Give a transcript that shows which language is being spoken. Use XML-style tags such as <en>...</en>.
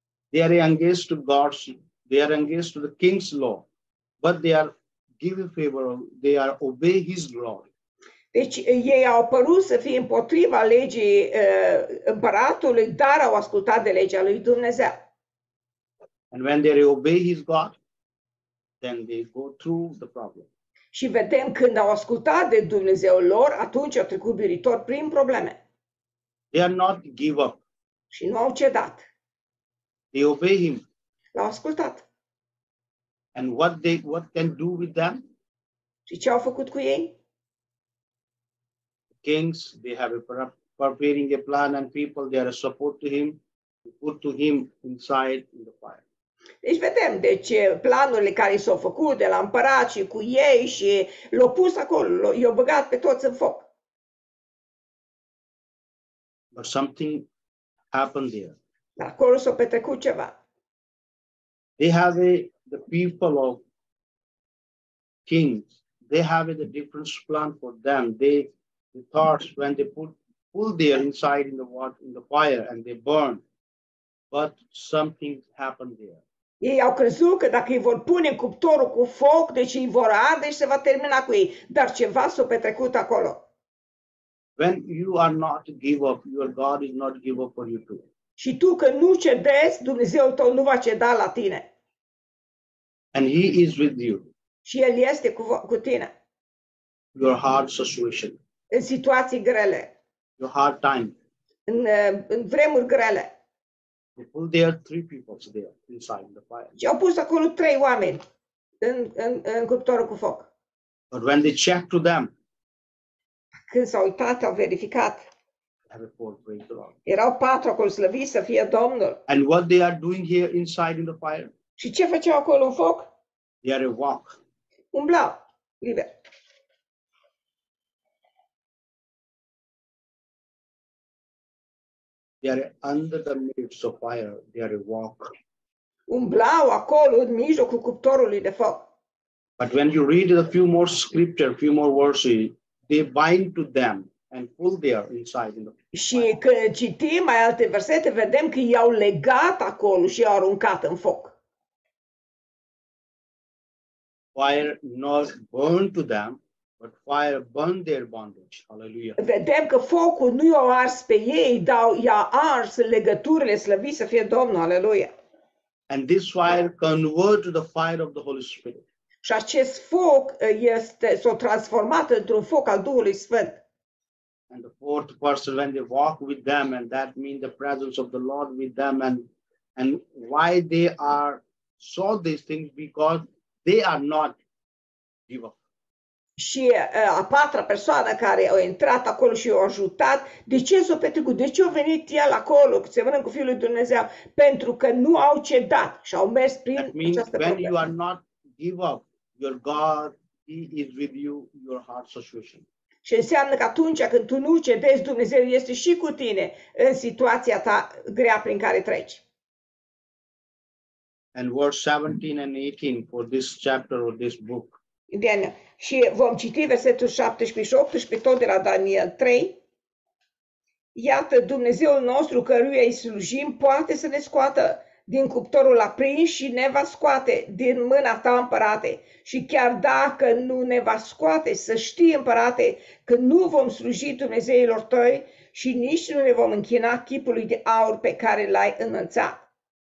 <en>They are youngest to God's, they are youngest to the king's law, but they are give favor, they are obey his glory.</en> <ro>Deci ei au părut să fie împotriva legii împăratului, dar au ascultat de legea lui Dumnezeu.</ro> <en>And when they obey his God, then they go through the problem.</en> <ro>Și vedem când au ascultat de Dumnezeul lor, atunci au trecut biritor prin probleme.</ro> <en>They are not give up.</en> <ro>Și nu au cedat.</ro> <en>They obey him.</en> <ro>L-au ascultat.</ro> <en>And what can do with them?</en> <ro>Și ce au făcut cu ei?</ro> <en>Kings, they have preparing a plan, and people, they are a support to him, put to him inside in the fire.</en> <ro>Deci vedem, deci planurile care s-au făcut de la împărat și cu ei și l-au pus acolo, i-au băgat pe toți în foc.</ro> <en>But something happened there.</en> <ro>Dar acolo s-a petrecut ceva.</ro> <en>They have the people of kings, they have a different plan for them. The thoughts when they pull their inside in the water, in the fire, and they burn. But something happened there.</en> <ro>Ei au crezut că dacă îi vor pune în cuptorul cu foc, deci îi vor arde și se va termina cu ei. Dar ceva s-a petrecut acolo.</ro> <en>When you are not give up, your God is not give up for you too.</en> <ro>Și tu că nu cedezi, Dumnezeul tău nu va ceda la tine.</ro> <en>And he is with you.</en> <ro>Și el este cu tine.</ro> <en>Your hard situation.</en> <ro>În situații grele.</ro> <en>Your hard time.</en> <ro>În vremuri grele.</ro> <en>They pulled there three people there inside the fire.</en> <ro>Și au pus acolo trei oameni în cuptorul cu foc.</ro> <en>But when they checked to them,</en> <ro>când s-au uitat, au verificat.</ro> <en>Praise the Lord.</en> <ro>Erau patru acolo, slăviți să fie Domnul.</ro> <en>And what they are doing here inside in the fire?</en> <ro>Și ce făceau acolo în foc?</ro> <en>They are a walk.</en> <ro>Umblau liber.</ro> <en>They are under the midst of fire. They are a walk.</en> <ro>Umblau acolo în mijlocul cuptorului de foc.</ro> <en>But when you read a few more scripture, a few more verses, they bind to them and pull there inside.</en> <ro>Și când citim mai alte versete, vedem că i-au legat acolo și i-au aruncat în foc.</ro> <en>Fire not burned to them, but fire burned their bondage. Hallelujah.</en> <ro>Vedem că focul nu i-a ars pe ei, dar i-a ars legăturile, slăvit să fie Domnul.</ro> <en>Hallelujah. And this fire converted the fire of the Holy Spirit.</en> <ro>Și acest foc s-a transformat într-un foc al Duhului Sfânt.</ro> <en>And the fourth person, when they walk with them, and that means the presence of the Lord with them, and why they are saw these things, because they are not give up.</en> <ro>Și a patra persoană care a intrat acolo și a ajutat, de ce s-a petrecut? De ce a venit el acolo, se vână cu Fiul lui Dumnezeu? Pentru că nu au cedat și au mers prin această problemă.</ro> <en>That means when you are not give up, your God, he is with you, your heart situation.</en> <ro>Ce înseamnă că atunci când tu nu cedezi, Dumnezeu este și cu tine în situația ta grea prin care treci.</ro> <en>And verse 17 and 18 for this chapter or this book. Daniel.</en> <ro>Și vom citi versetul 17 și 18 tot de la Daniel 3. Iată, Dumnezeul nostru căruia îi slujim poate să ne scoată din cuptorul aprins și ne va scoate din mâna ta, împărate. Și chiar dacă nu ne va scoate, să știi, împărate, că nu vom sluji Dumnezeilor tăi și nici nu ne vom închina chipului de aur pe care l-ai înălțat.</ro>